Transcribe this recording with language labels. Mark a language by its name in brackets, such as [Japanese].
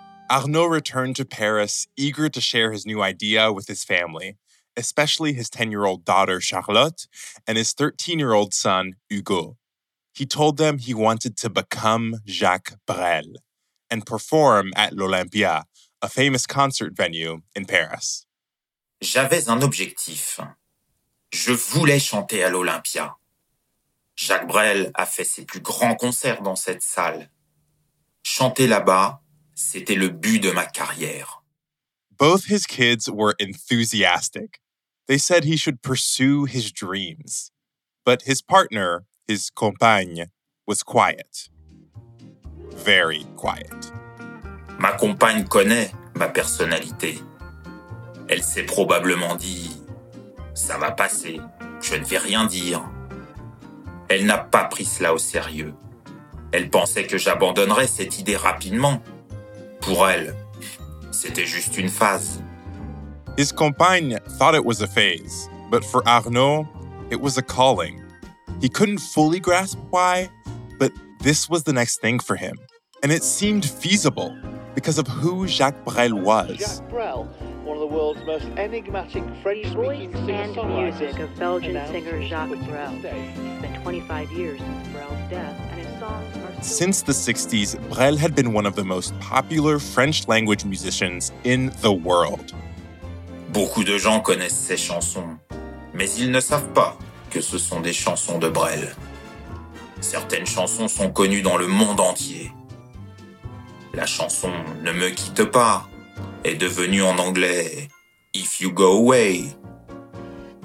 [English] Arnaud returned to Paris, eager to share his new idea with his family, especially his 10-year-old daughter, Charlotte, and his 13-year-old son, Hugo. He told them he wanted to become Jacques Brel and perform at l'Olympia, a famous concert venue in Paris. [French] J'avais un objectif. Je voulais chanter à l'Olympia. Jacques Brel a fait ses plus grands concerts dans cette salle. Chanter là-bas, c'était le but de ma carrière. [English] Both his kids were enthusiastic. They said he should pursue his dreams. But his partner, his compagne, was quiet. Very quiet. [French] Ma compagne connaît ma personnalité. Elle s'est probablement dit, ça va passer, je ne vais rien dire. Elle n'a pas pris cela au sérieux. Elle pensait que j'abandonnerais cette idée rapidement. Pour elle, c'était juste une phase. [English] His compagne thought it was a phase, but for Arnaud, it was a calling. He couldn't fully grasp why, but this was the next thing for him. And it seemed feasible because of who Jacques Brel was. Jacques Brel, one of the world's most enigmatic French-speaking singer-songwriters. Voice and music of Belgian singer Jacques Brel. It's been 25 years since Brel's death. Since the 60s, Brel had been one of the most popular French-language musicians in the world. [French] Beaucoup de gens connaissent ses chansons, mais ils ne savent pas que ce sont des chansons de Brel. Certaines chansons sont connues dans le monde entier. La chanson « Ne me quitte pas » est devenue en anglais « If you go away ».